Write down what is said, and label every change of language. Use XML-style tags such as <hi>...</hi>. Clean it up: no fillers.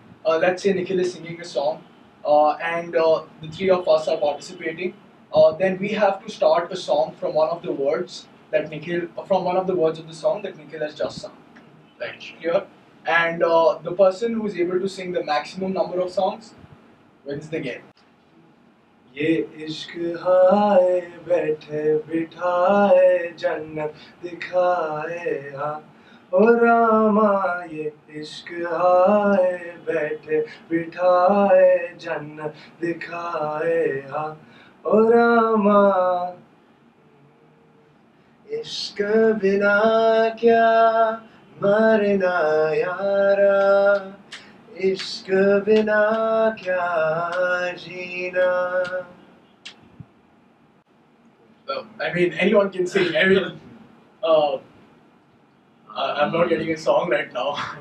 <en>Let's say Nikhil is singing a song and the three of us are participating. Then we have to start a song from one of the words that Nikhil, from one of the words of the song that Nikhil has just sung. Right. Clear? And the person who is able to sing the maximum number of songs wins the game.</en> <hi>ये इश्क हाय बैठे बिठाए जन्नत दिखाए हाँ ओ रामा ये इश्क हाय बैठे बिठाए जन्नत दिखाए हाँ ओ रामा इश्क बिना क्या मरना यारा इश्क बिना क्या जीना.</hi> <en>I mean, anyone can sing. I'm not getting a song right now.</en>